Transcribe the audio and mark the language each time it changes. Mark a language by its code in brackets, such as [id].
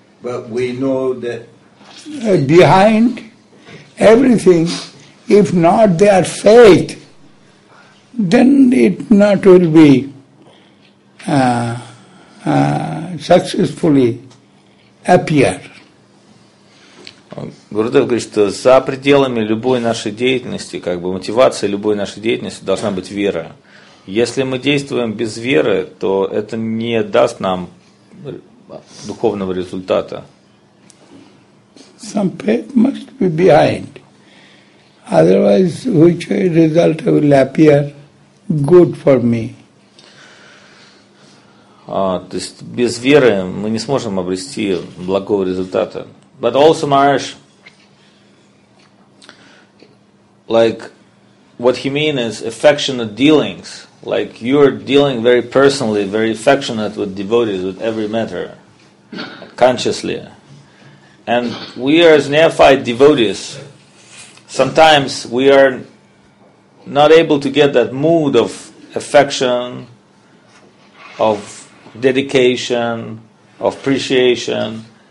[en] But we know that behind everything, if not their faith, then it not will be successfully appear. [ru] Гурудев говорит, что за пределами любой нашей деятельности, как бы мотивация любой нашей деятельности должна быть вера. Если мы действуем без веры, то это не даст нам духовного результата. [en] Some faith must be behind. Otherwise, which result will appear good for me? [ru] То есть без веры мы не сможем обрести благого результата. [en] But also, Maharaj, like what he means is affectionate dealings. Like you're dealing very personally, very affectionate with devotees, with every matter. Consciously. And we are as neophyte devotees. Sometimes we are not able to get that mood of affection, of dedication, of appreciation.